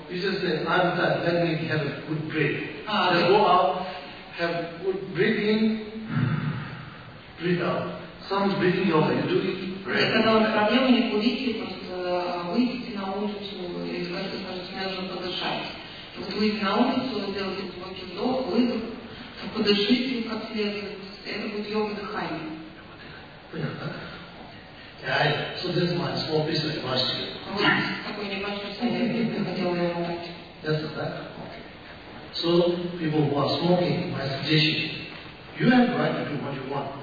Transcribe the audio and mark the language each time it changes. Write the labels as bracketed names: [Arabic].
[English] You just say, I'm tired, let me have a good break. Then go out, have good breathing, breathe out. Some breathing yoga, you do it. [Russian] Когда у вас проблемы, не курите, просто выйдите на улицу и скажите, мне нужно подышать. Вот выйдите на улицу, сделайте глубокий вдох, выдох, подышите как следует. Это будет йога дыхания. [English] Yeah, so this is my small piece of advice to you. That's that. Okay. So people who are smoking, my suggestion, you have the right to do what you want.